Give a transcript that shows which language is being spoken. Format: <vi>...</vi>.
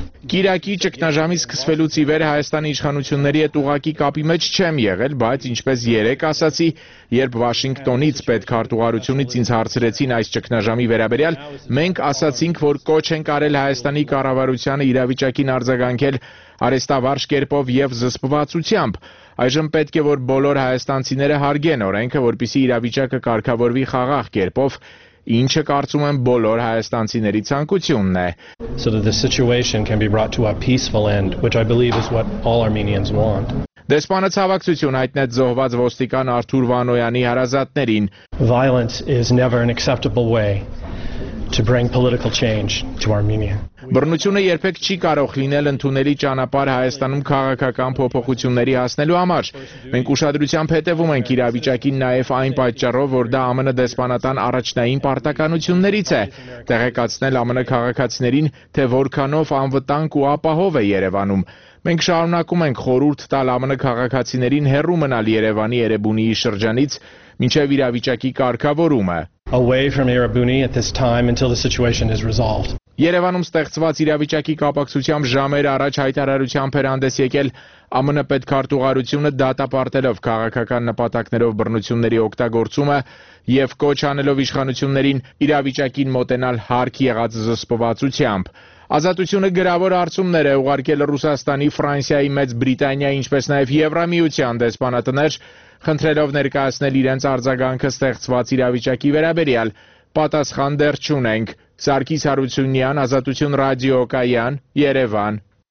<hy>Կիրակի ճգնաժամի սկսվելուց ի վեր Հայաստանի իշխանությունների հետ ուղակի կապի մեջ չեմ եղել, բայց ինչպես երեկ ասացի, երբ Վաշինգտոնից պետքարտուղարությունից ինձ հարցրեցին այս ճգնաժամի վերաբերյալ, մենք ասացինք, որ կոչ ենք արել Հայաստանի կառավարությանը իրավիճակին արձագանքել արեստավարժ կերպով և զսպվածությամբ։ Այժմ պետք է, որ բոլոր հայաստանցիները հարգեն օրենքը, որպեսզի իրավիճակը կարգավորվի խաղաղ կերպով, ինչը կարծում եմ բոլոր հայաստանցիների ցանկությունն է.</hy> <en>So that the situation can be brought to a peaceful end, which I believe is what all Armenians want.</en> <hy>Դեսպանը ցավակցություն հայտնեց զոհված ոստիկան Արթուր Վանոյանի հարազատներին.</hy> <en>Violence is never an acceptable way to bring political change to Armenia.</en> <hy>Բռնությունը երբեք չի կարող լինել ընդունելի ճանապարհ Հայաստանում քաղաքական փոփոխությունների հասնելու համար։ Մենք ուշադրությամբ հետևում ենք իրավիճակին նաև այն պատճառով, որ դա ԱՄՆ դեսպանատան առաջնային պարտականություններից է՝ տեղեկացնել ԱՄՆ քաղաքացիներին, թե որքանով անվտանգ ու ապահով է Երևանում։ Մենք շարունակում ենք խորհուրդ տալ ԱՄՆ քաղաքացիներին հեռու մնալ Երևանի Էրեբունիի շրջանից, ինչև իրավիճակի կարգավորումը։</hy> <en>Away from Erebuni at this time until the situation is resolved.</en> <hy>Երևանում ստեղծված իրավիճակի կապակցությամբ ժամեր առաջ հայտարարությամբ հանդես եկել ԱՄՆ պետքարտուղարությունը, դատապարտելով քաղաքական նպատակներով բռնությունների օգտագործումը և կոչ անելով իշխանություններին իրավիճակին մոտենալ հարկ եղած զսպվածությամբ։ Ազատությունը գրավոր արցումներ է ուղարկել Ռուսաստանի, Ֆրանսիայի, Մեծ Բրիտանիայի, ինչպես նաև Եվրամիության դեսպանատներ, խնդրելով ներկայացնել իրենց արձագանքը ստեղծված իրավիճակի վերաբերյալ։ Պատասխան դեռ չունենք։ Սարգիս Հարությունյան, Ազատություն ռադիոկայան, Երևան։</hy>